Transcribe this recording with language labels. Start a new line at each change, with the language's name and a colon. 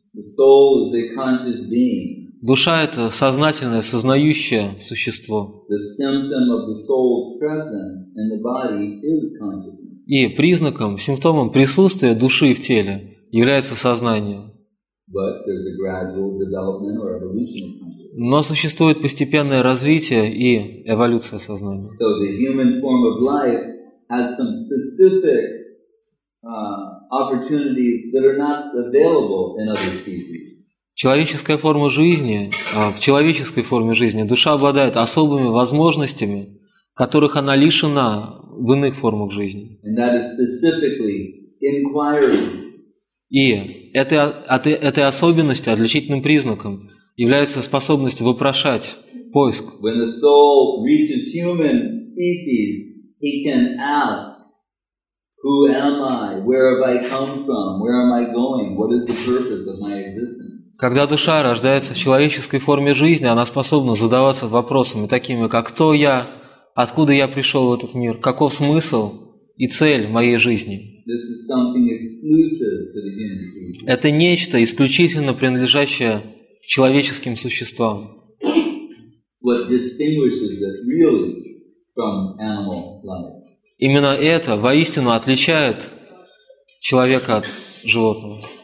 English: The soul is a conscious being.
Russian: Душа – это сознательное, сознающее существо.
English: The symptom of the soul's presence in the body is consciousness.
Russian: И признаком, симптомом присутствия души в теле является сознание.
English: But there's a gradual development or evolution of consciousness.
Russian: Но существует постепенное развитие и эволюция сознания.
English: So the human form of life has some specific opportunities that are not available in other species.
Russian: Человеческая форма жизни, в человеческой форме жизни душа обладает особыми возможностями, которых она лишена в иных формах жизни.
English: And that is specifically inquiry.
Russian: И этой особенностью, отличительным признаком, является способность вопрошать, поиск.
English: When the soul reaches human species, he can ask, who am I? Where have I come from? Where am I going? What is the purpose of my existence?
Russian: Когда душа рождается в человеческой форме жизни, она способна задаваться вопросами такими, как кто я, откуда я пришел в этот мир, каков смысл и цель моей жизни.
English: This is something exclusive to the human species.
Russian: Это нечто исключительно принадлежащее человеческим существам.
English: What distinguishes it really from animal life?
Russian: Именно это воистину отличает человека от животного.